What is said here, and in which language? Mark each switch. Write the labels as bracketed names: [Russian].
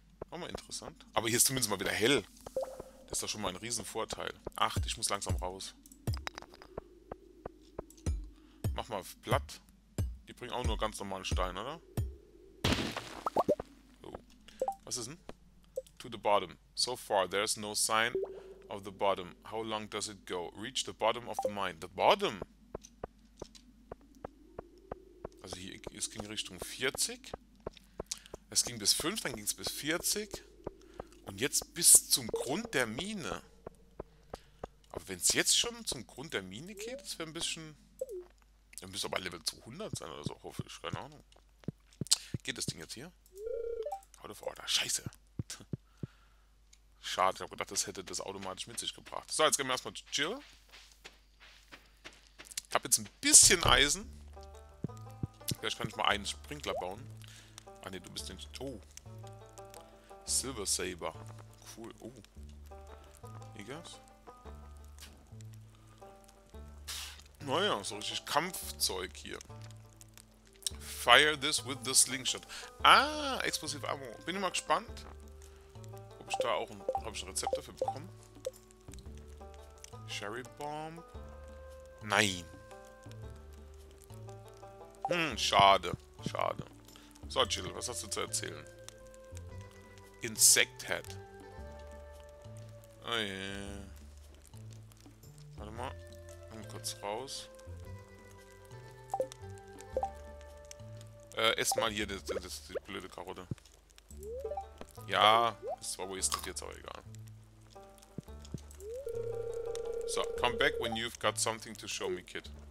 [German] Auch mal interessant. Aber hier ist zumindest mal wieder hell. Das ist doch schon mal ein Riesenvorteil. Ach, ich muss langsam raus. Mach mal platt. Die bringen auch nur ganz normalen Stein, oder? Oh. Was ist denn? [English] to the bottom. So far, there is no sign of the bottom. How long does it go? Reach the bottom of the mine. The bottom? [German] Also hier, es ging Richtung 40. Es ging bis 5, dann ging es bis 40. Und jetzt bis zum Grund der Mine. Aber wenn es jetzt schon zum Grund der Mine geht, das wäre ein bisschen... Dann müsste aber Level 200 sein oder so, hoffe ich. Keine Ahnung. Geht das Ding jetzt hier? [English] Out of order. [German] Scheiße. Schade, ich habe gedacht, das hätte das automatisch mit sich gebracht. So, jetzt gehen wir erstmal chill. Ich habe jetzt ein bisschen Eisen. Vielleicht kann ich mal einen Sprinkler bauen. Ah ne, du bist nicht... Oh. Silver Saber. Cool. Oh. Egas. Naja, so richtig Kampfzeug hier. [English] Fire this with the slingshot. [German] Ah, explosive Ammo. Bin immer gespannt, ob ich da auch ein, ob ich ein Rezept dafür bekomme. Cherry Bomb. Nein. Hm, schade. Schade. So, Chill, was hast du zu erzählen? Insect Head. [English] Oh, yeah. [German] Warte mal. Komm kurz raus. Ess mal hier die blöde Karotte. Ja, ist zwar wasted, jetzt aber egal. [English] So, come back when you've got something to show me, kid.